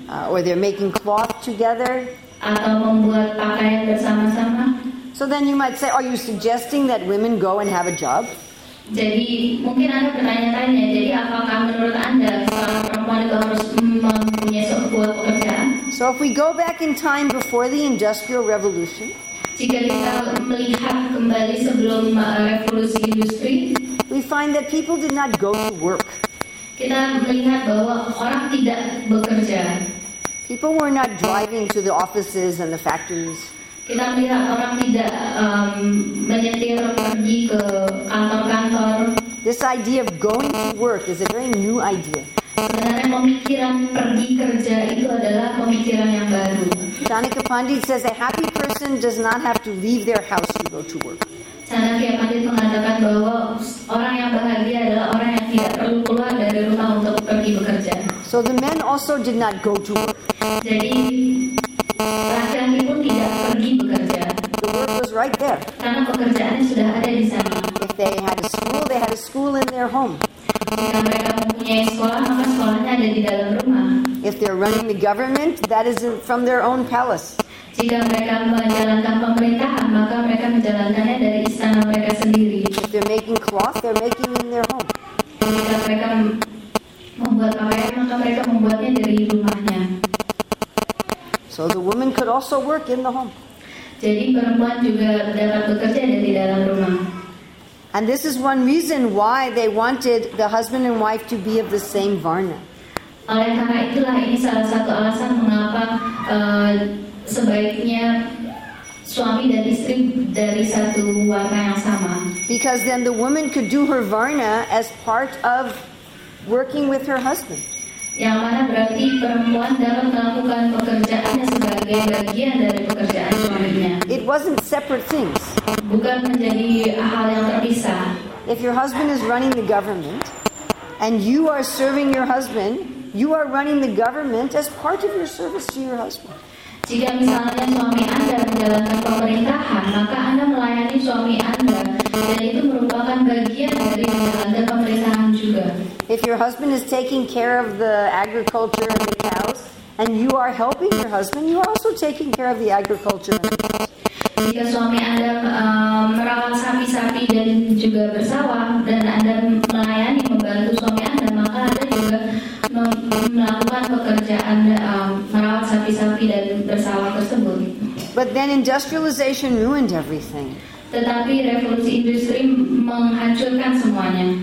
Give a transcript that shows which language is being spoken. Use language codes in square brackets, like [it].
[en] Or they're making cloth together. [id] Atau membuat pakaian bersama-sama. [en] So then you might say, are you suggesting that women go and have a job? [id] Jadi mungkin ada pertanyaannya. Jadi apakah menurut Anda seorang perempuan itu harus mempunyai sebuah pekerjaan? [en] So if we go back in time before the Industrial Revolution. [id] Jika kita melihat kembali sebelum revolusi industri, [en] we find that people did not go to work. [id] Kita melihat bahwa orang tidak bekerja. [en] People were not driving to the offices and the factories. [id] Kita melihat orang tidak menyetir pergi ke kantor-kantor. [en] This idea of going to work is a very new idea. [id] Sebenarnya pemikiran pergi kerja itu adalah pemikiran yang baru. [en] Chanakya Pandit says a happy person does not have to leave their house to go to work. [id] Chanakya Pandit mengatakan bahwa orang yang bahagia adalah orang yang tidak perlu keluar dari rumah untuk pergi bekerja. [en] So the men also did not go to work. [id] Jadi laki-laki pun tidak pergi bekerja. [en] The work was right there. [id] Karena pekerjaannya sudah ada di sana. [en] If they had a school, they had a school in their home. [id] Jika mereka mempunyai sekolah, maka sekolahnya ada di dalam rumah. [en] If they're running the government, that is from their own palace. [id] Jika mereka menjalankan pemerintahan, maka mereka menjalankannya dari istana mereka sendiri. [en] If they're making cloth, they're making in their home. [id] Jika mereka membuat pakaian, maka mereka membuatnya dari rumahnya. [en] So the woman could also work in the home. [id] Jadi perempuan juga dapat bekerja dari dalam rumah. [en] And this is one reason why they wanted the husband and wife to be of the same varna. [id] Oleh karena itulah ini salah satu alasan mengapa sebaiknya suami dan istri dari satu warna yang sama. [en] Because then the woman could do her varna as part of working with her husband. [id] Yang mana berarti perempuan dapat melakukan pekerjaannya sebagai bagian dari pekerjaan suaminya. [en] It wasn't separate things. [id] Bukan menjadi hal yang terpisah. [en] If your husband is running the government and you are serving your husband, you are running the government as part of your service to your husband. [id] Jika misalnya suami Anda menjalankan pemerintahan, maka Anda melayani suami Anda dan itu merupakan bagian dari menjalankan pemerintahan juga. [en] If your husband is taking care of the agriculture and the cows, and you are helping your husband, you are also taking care of the agriculture and the cows. [id] Jika suami Anda merawat sapi-sapi dan juga bersawah, dan Anda melayani, membantu suami Anda, maka Anda juga melakukan pekerjaan merawat sapi-sapi dan bersawah tersebut. [en] But then industrialization ruined everything. [id] Tetapi revolusi industri menghancurkan semuanya.